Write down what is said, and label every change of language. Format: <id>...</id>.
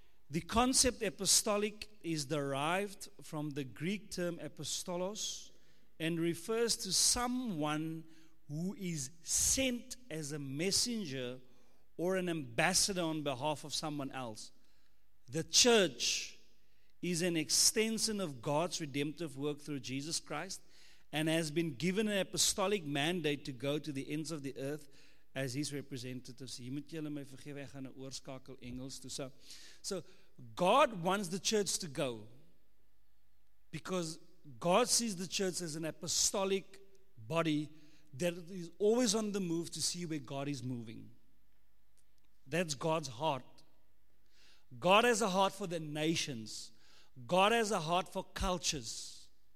<en>The concept apostolic is derived from the Greek term apostolos and refers to someone who is sent as a messenger or an ambassador on behalf of someone else. The church is an extension of God's redemptive work through Jesus Christ and has been given an apostolic mandate to go to the ends of the earth as his representatives.</en> <af>Jy moet julle my vergewe, ek gaan 'n oorskakel Engels toe.</af> <en>So God wants the church to go because God sees the church as an apostolic body that is always on the move to see where God is moving. That's God's heart. God has a heart for the nations. God has a heart for cultures.</en>